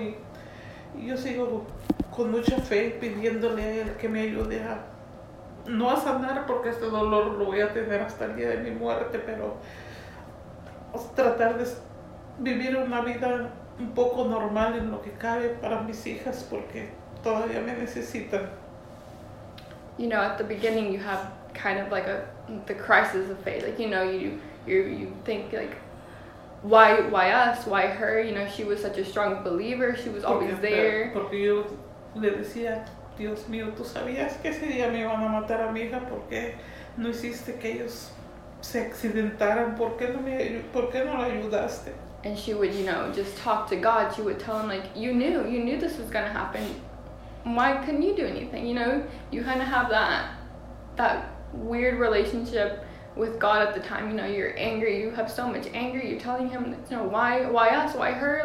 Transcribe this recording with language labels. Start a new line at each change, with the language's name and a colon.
Spanish: Y yo sigo con mucha fe pidiéndole a Él que me ayude a no a sanar, porque este dolor lo voy a tener hasta el día de mi muerte, pero tratar de vivir una vida un poco normal en lo que cabe para mis hijas, porque todavía me necesitan.
English: You know, at the beginning you have kind of like the crisis of faith, like, you know, you think like, why us, why her, you know, she was such a strong believer, she was always there.
Spanish: Porque yo le decía, Dios mío, ¿tú sabías que ese día me iban a matar a mi hija? ¿Por qué no hiciste que ellos se accidentaran? ¿Por qué no la ayudaste?
English: And she would, you know, just talk to God. She would tell him, like, you knew this was going to happen. Why couldn't you do anything? You know, you kind of have that weird relationship with God at the time. You know, you're angry. You have so much anger. You're telling him, you know, why us? Why her?